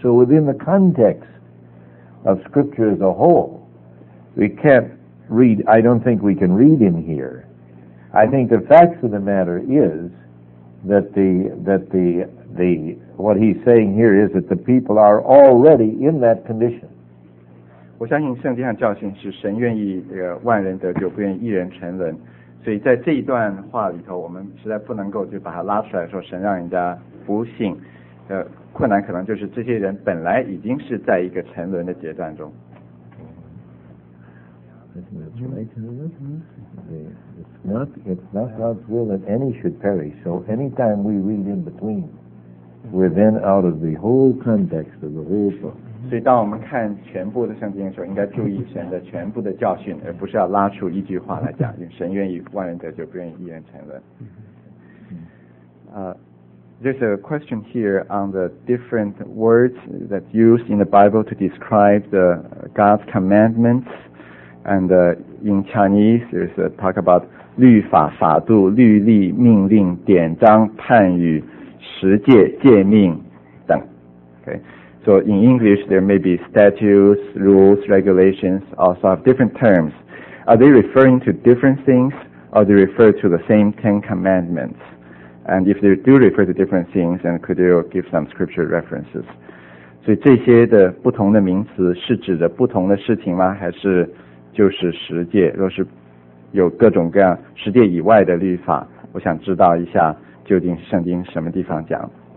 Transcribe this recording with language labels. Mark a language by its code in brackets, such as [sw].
[en] So within the context of scripture as a whole, we can't read, I don't think we can read in here. I think the fact of the matter is that the what he's saying here is that the people are already in that condition. [zh] 我相信圣经上教训是神愿意万人得救，不愿意一人沉沦。所以在这一段话里头，我们实在不能够就把它拉出来说神让人家不信。困难可能就是这些人本来已经是在一个沉沦的阶段中。 [en] It's not God's will that any should perish. So anytime we read in between, we're then out of the whole context of the whole book. [zh] 所以当我们看全部的圣经的时候，应该注意神的全部的教训，而不是要拉出一句话来讲，因为神愿意万人得救，不愿意一人沉沦。 [en] There's a question here on the different words that's used in the Bible to describe the God's commandments. And in Chinese, there's a talk about [zh] 律法、法度、律例、命令、典章、判语、十诫、诫命等。 [en] Okay, so in English, there may be statutes, rules, regulations, also have different terms. Are they referring to different things, or do they refer to the same Ten Commandments? And if they do refer to different things, then could you give some scripture references? [zh] 所以这些的不同的名词是指的不同的事情吗？还是就是十诫，若是有各种各样十诫以外的律法，我想知道一下究竟圣经什么地方讲。